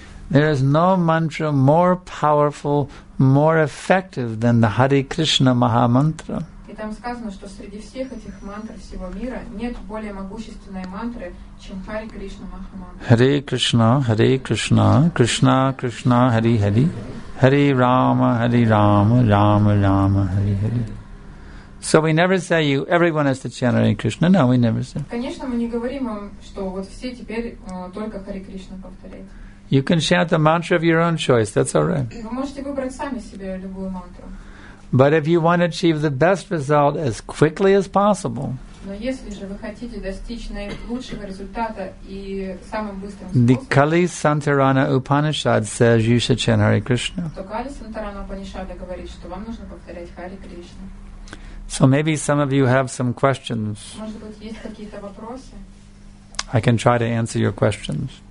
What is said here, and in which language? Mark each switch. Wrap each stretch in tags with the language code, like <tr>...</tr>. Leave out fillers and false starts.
<en>There is no mantra more powerful, more effective than the Hare Krishna Maha Mantra.</en> <ru>там сказано, что среди всех этих мантр всего мира нет более могущественной мантры, чем Хари Кришна Махамантра.</ru> <sa>Хари Кришна, Хари Кришна, Кришна, Кришна, Хари Хари, Хари Рама, Хари Рама, Рама, Рама, Хари Хари.</sa> <en>So we never say you, everyone has to chant Hare Krishna. No, we never say.</en> <ru>Конечно, мы не говорим вам, что вот все теперь только Хари Кришна повторять.</ru> <en>You can chant the mantra of your own choice. That's all right.</en> <ru>Вы можете выбрать сами себе любую мантру.</ru> <en>But if you want to achieve the best result as quickly as possible,</en> <ru>но если же вы хотите достичь наилучшего результата и самым быстрым способом,</ru> <en>the Kali Santarana Upanishad says you should chant Hare Krishna.</en> <ru>То Кали Сантарана Упанишада говорит, что вам нужно повторять Хари Кришна.</ru> <en>So maybe some of you have some questions.</en> <ru>Может быть, есть какие-то вопросы?</ru> <en>I can try to answer your questions.</en>